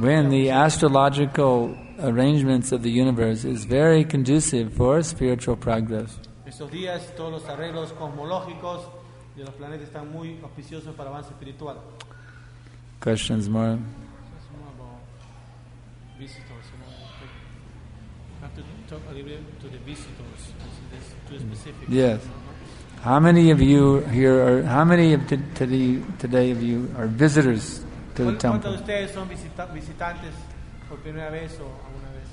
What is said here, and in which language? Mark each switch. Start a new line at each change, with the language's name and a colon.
English: when the astrological arrangements of the universe is very conducive for spiritual progress.
Spanish: Estos días, todos los arreglos cosmológicos de los planetas están muy auspiciosos para avance espiritual.
English: Questions more? Visitors, you know, have to talk a little bit to the visitors. Yes. How many of you here are, how many of today of you are visitors to the temple?
Spanish: ¿Cuántos de ustedes son visitantes por primera vez o alguna vez?